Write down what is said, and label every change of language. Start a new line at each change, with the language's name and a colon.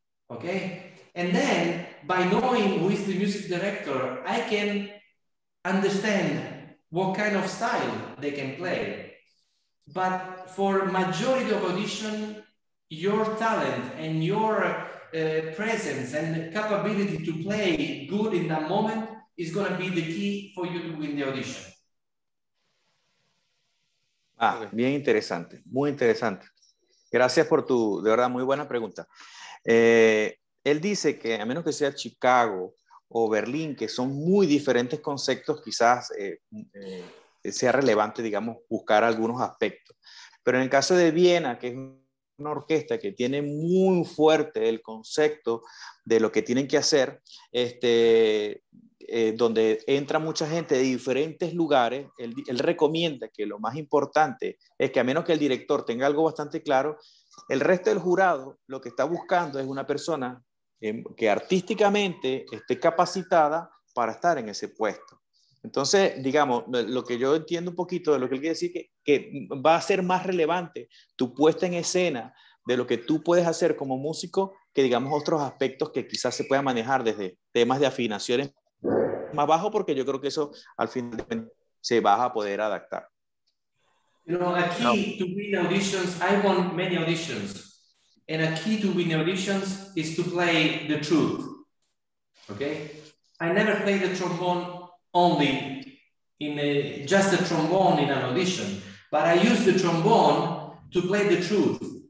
English: Okay, and then by knowing who is the music director, I can understand what kind of style they can play. But for majority of audition, your talent and your presence and capability to play good in that moment is going to be the key for you to win the audition.
Spanish: Ah, bien interesante, muy interesante. Gracias por tu, de verdad, muy buena pregunta. Él dice que a menos que sea Chicago o Berlín, que son muy diferentes conceptos, quizás sea relevante, digamos, buscar algunos aspectos. Pero en el caso de Viena, que es una orquesta que tiene muy fuerte el concepto de lo que tienen que hacer, donde entra mucha gente de diferentes lugares, él recomienda que lo más importante es que a menos que el director tenga algo bastante claro, el resto del jurado lo que está buscando es una persona que artísticamente esté capacitada para estar en ese puesto. Entonces, digamos, lo que yo entiendo un poquito de lo que él quiere decir, que va a ser más relevante tu puesta en escena de lo que tú puedes hacer como músico que, digamos, otros aspectos que quizás se puedan manejar desde temas de afinaciones más bajo, porque yo creo que eso al final se va a poder adaptar.
English: You know, a key to win auditions, I won many auditions, and a key to win auditions is to play the truth, okay? I never play the trombone only, just the trombone in an audition, but I use the trombone to play the truth.